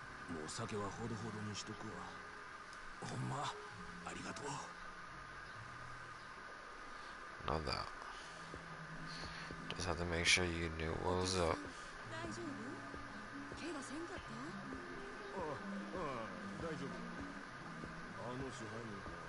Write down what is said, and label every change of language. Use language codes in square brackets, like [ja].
[ja] もう酒はほどほどにしとくわ。ほんま、ありがとう。 [en] Not that. Just had to make sure you knew what was up. [ja] 大丈夫?怪我せんかった?ああ、大丈夫。あの支配人。